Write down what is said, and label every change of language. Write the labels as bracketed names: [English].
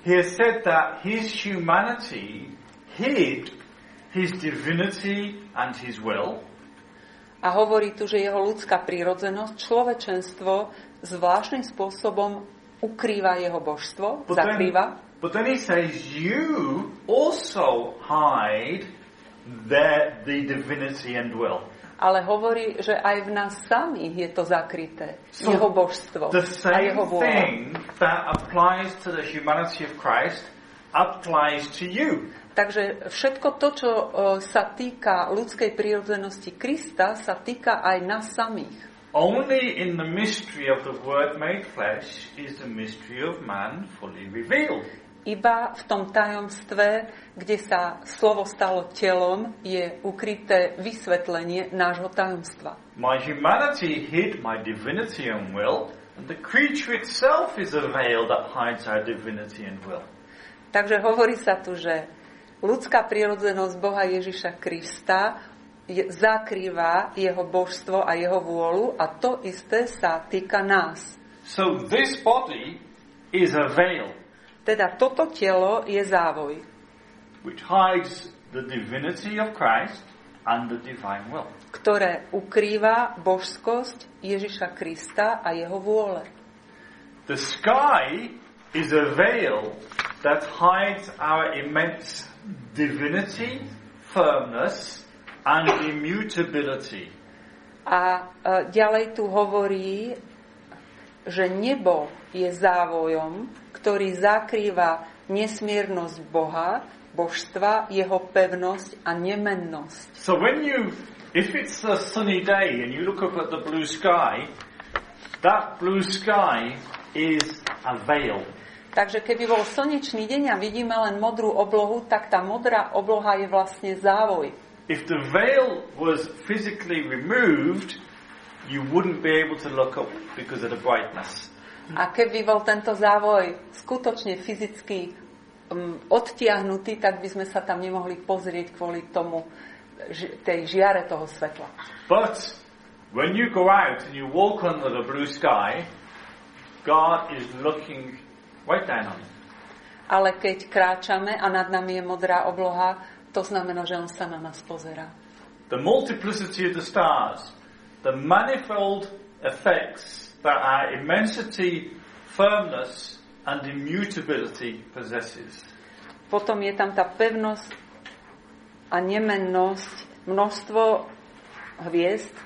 [English] He has said that his humanity hid his divinity and his will. [Slovak] A hovorí tu, že jeho ľudská prírodzenosť, človečenstvo, zvláštnym spôsobom ukrýva jeho božstvo, zakrýva. [English] But then he says, you also hide the divinity and will. [Slovak] Ale hovorí, že aj v nás samých je to zakryté. So jeho božstvo a jeho vôľa. [English] The same thing that applies to the humanity of Christ applies to you. [Slovak] Takže všetko to, čo sa týka ľudskej prírodzenosti Krista, sa týka aj nás samých. [English] Only in the mystery of the Word made flesh is the mystery of man fully revealed. [Slovak] Iba v tom tajomstve, kde sa slovo stalo telom, je ukryté vysvetlenie nášho tajomstva. [English] My humanity hid my divinity and will, and the creature itself is a veil that hides our divinity and will. [Slovak] Takže hovorí sa tu, že ľudská prirodzenosť Boha Ježiša Krista zakrýva jeho božstvo a jeho vôľu a to isté sa týka nás. [English] So this body is a veil. [Slovak] Teda toto telo je závoj. [English] Which hides the divinity of Christ and the divine will. [Slovak] Ktoré ukrýva božskosť Ježiša Krista a jeho vôle. [English] The sky is a veil that hides our immense divinity, firmness and immutability. [Slovak] A ďalej tu hovorí, že nebo je závojom, ktorý zakrýva nesmiernosť Boha, božstva, jeho pevnosť a nemennosť. [English] So when you, if it's a sunny day and you look up at the blue sky, that blue sky is a veil. [Slovak] Takže keby bol slnečný deň a vidíme len modrú oblohu, tak tá modrá obloha je vlastne závoj. [English] If the veil was physically removed, you wouldn't be able to look up because of the brightness. [Slovak] A keby bol tento závoj skutočne fyzicky odtiahnutý, tak by sme sa tam nemohli pozrieť kvôli tomu tej žiare toho svetla. [English] But when you go out and you walk under the blue sky, God is looking right down on you. [Slovak] Ale keď kráčame a nad nami je modrá obloha, to znamená, že on sa na nás pozerá. [English] The multiplicity of the stars, the manifold effects that our immensity, firmness and immutability possesses. [Slovak] Potom je tam tá pevnosť a nemennosť, množstvo hviezd.